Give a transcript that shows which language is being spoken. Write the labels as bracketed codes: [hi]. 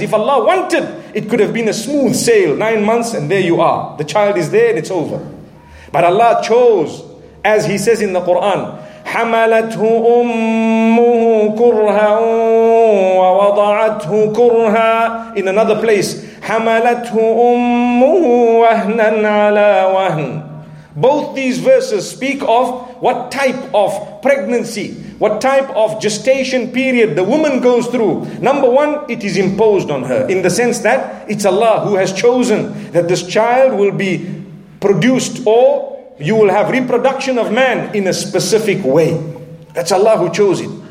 [en] If Allah wanted, it could have been a smooth sail, 9 months, and there you are. The child is there and it's over. But Allah chose, as He says in the Quran, [ar] حَمَلَتْهُ أُمُّهُ كُرْهًا وَوَضَعَتْهُ كُرْهًا. [en] In another place, [ar] حَمَلَتْهُ أُمُّهُ وَهْنًا عَلَى وَهْنًا. [en] Both these verses speak of what type of pregnancy, what type of gestation period the woman goes through. Number one, it is imposed on her in the sense that it's Allah who has chosen that this child will be produced, or you will have reproduction of man in a specific way. That's Allah who chose it.